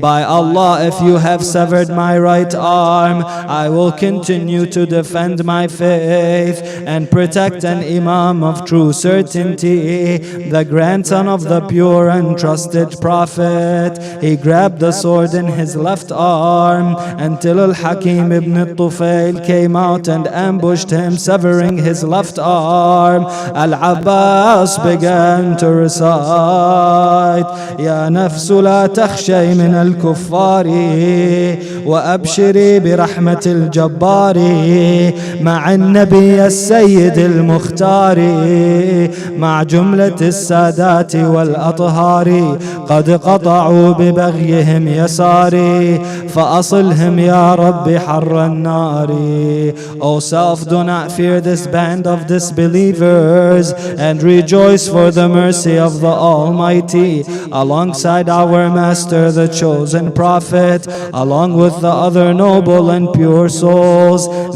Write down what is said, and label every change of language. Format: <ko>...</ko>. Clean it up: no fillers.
<en>By Allah, if you have severed my right arm, I will continue to defend my faith and protect an imam of true certainty, the grandson of the pure and trusted prophet. He grabbed the sword in his left arm until al-Hakim ibn al-Tufayl came out and ambushed him, severing his left arm. Al-Abbas began to recite,</en> <ar>Ya nafs la takhshay min al-kuffar, وأبشري برحمة الجبار مع النبي السيد المختار مع جملة السادات والأطهار. قد قطعوا ببغيهم يساري فأصلهم يا رب حر النار.</ar> <en>O self, do not fear this band of disbelievers and rejoice for the mercy of the Almighty alongside our master the chosen prophet, along with the other noble and pure souls.</en>